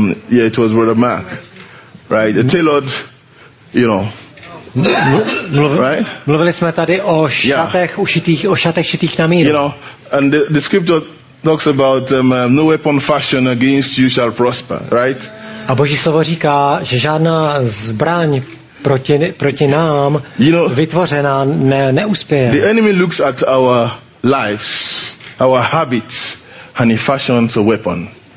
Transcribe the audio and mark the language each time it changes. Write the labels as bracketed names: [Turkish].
[English] It was Brother Mark, right? The tailored, you know. Right? [Czech] Mluvili jsme tady o šatech ušitých, o šatech šitých na míru. [English] You know, and the scripture talks about no weapon fashioned against you shall prosper, right? [Czech] A Boží slovo říká, že žádná zbraň proti nám, you know, vytvořená neuspěje. [English] The enemy looks at our lives, our habits, and he fashions a weapon.